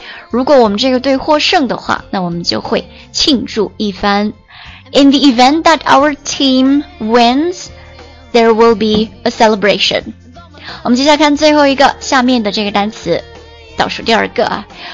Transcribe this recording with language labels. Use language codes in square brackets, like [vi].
[zh] 如果我们这个队获胜的话，那我们就会庆祝一番。 [en] In the event that our team wins, there will be a celebration. [zh] 我们接下来看最后一个，下面的这个单词，倒数第二个啊。